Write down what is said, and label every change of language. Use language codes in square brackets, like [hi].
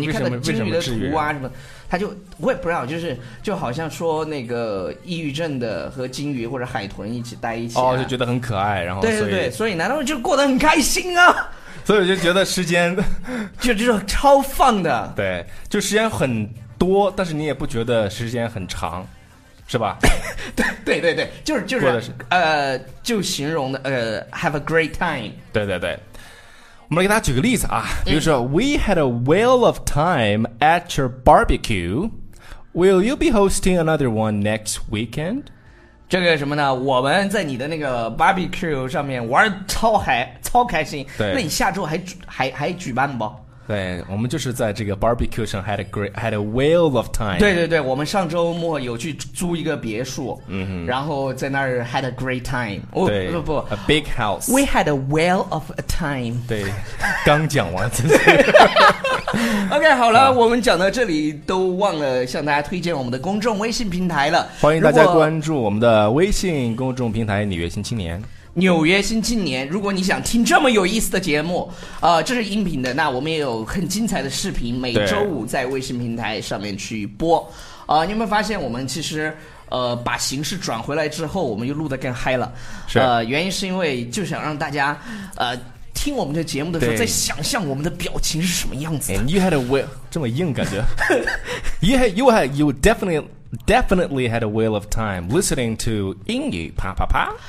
[zh] 你看到鲸鱼的图啊什么，他就我也不知道，就好像说那个抑郁症的和鲸鱼或者海豚一起待一起，哦，就觉得很可爱，然后对对对，所以难道就过得很开心啊？所以我就觉得时间就是超放的，对，就时间很多，但是你也不觉得时间很长。是吧？对，就是就形容的 [en] have a great time。 [zh] 对对对，我们来给大家举个例子啊，比如说 [en] We had a whale of time at your barbecue. Will you be hosting another one next weekend？ [zh] 这个什么呢？我们在你的那个 barbecue 上面玩超开心。对，那你下周还举办不？对，我们就是在这个 barbecue 上 [en] had a whale of time。 [zh] 对对对，我们上周末有去租一个别墅，嗯哼，然后在那儿 [en] had a great time。 [zh] 对，不不 [en] a big house， we had a whale of a time。 [zh] 对，刚讲完。 OK， 好了，我们讲到这里都忘了向大家推荐我们的公众微信平台了，欢迎大家关注我们的微信公众平台纽约新青年。纽约新青年，如果你想听这么有意思的节目，这是音频的，那我们也有很精彩的视频，每周五在微信平台上面去播。你有没有发现我们其实把形式转回来之后，我们又录得更嗨了？是。原因是因为就想让大家听我们的节目的时候，在想象我们的表情是什么样子的。 [en] And you had a whale， [zh] 这么硬感觉。 [en] you definitely had a whale of time listening to 英语啪啪啪。